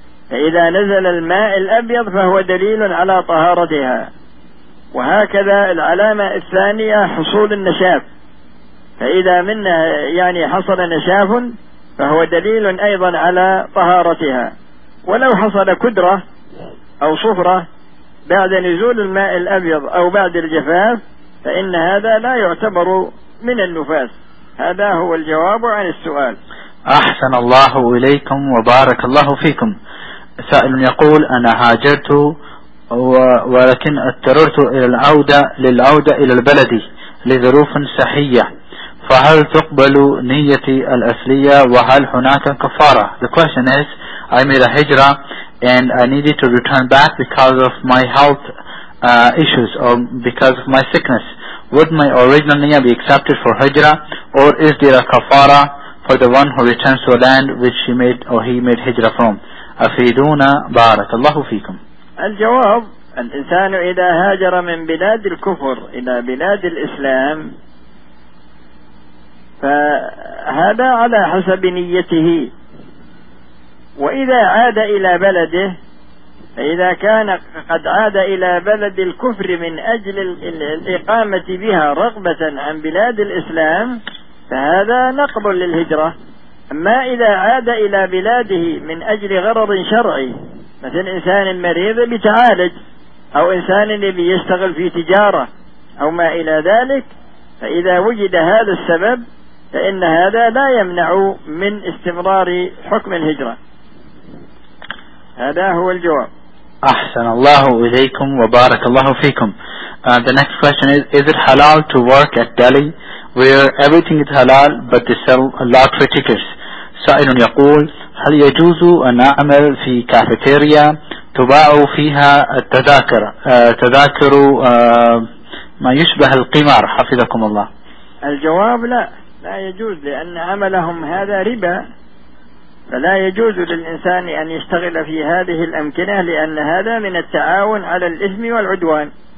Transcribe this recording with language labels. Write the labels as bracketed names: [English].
[Arabic] فإذا نزل الماء الأبيض فهو دليل على طهارتها، وهكذا العلامة الثانية حصول النشاف، فإذا منها يعني حصل نشاف فهو دليل أيضا على طهارتها، ولو حصل كدرة أو صفرة بعد نزول الماء الأبيض أو بعد الجفاف فإن هذا لا يعتبر من النفاس. هذا هو الجواب عن السؤال. أحسن الله إليكم وبارك الله فيكم. سائل يقول: أنا هاجرت ولكن اضطررت إلى للعودة إلى البلد لظروف صحية، فهل تقبل نيتي الأصلية وهل هناك كفارة؟ [English] The question is: I made a hijra and I needed to return back because of my health issues or because of my sickness. Would my original niyyah be accepted for hijra, or is there a kafara for the one who returns to a land which he made or he made hijra from? [Arabic] أفيدونا بارك الله فيكم. الجواب: الإنسان إذا هاجر من بلاد الكفر إلى بلاد الإسلام فهذا على حسب نيته، وإذا عاد إلى بلده فإذا كان قد عاد إلى بلد الكفر من أجل الإقامة بها رغبة عن بلاد الإسلام فهذا نقبل للهجرة. أما إذا عاد إلى بلاده من أجل غرض شرعي مثل إنسان مريض بتعالج أو إنسان يبي يشتغل في تجارة أو ما إلى ذلك فإذا وجد هذا السبب فإن هذا لا يمنع من استمرار حكم الهجرة. هذا هو الجواب. أحسن الله إليكم وبارك الله فيكم. [English] The next question is, is it halal to work at Delhi where everything is halal but they sell lottery tickets? [Arabic] سائل يقول هل يجوز أن أعمل في كافيتيريا تباع فيها التذاكر تذاكر ما يشبه القمار حفظكم الله؟ الجواب لا، لا يجوز، لأن عملهم هذا ربا، فلا يجوز للإنسان أن يشتغل في هذه الأمكنة لأن هذا من التعاون على الإثم والعدوان.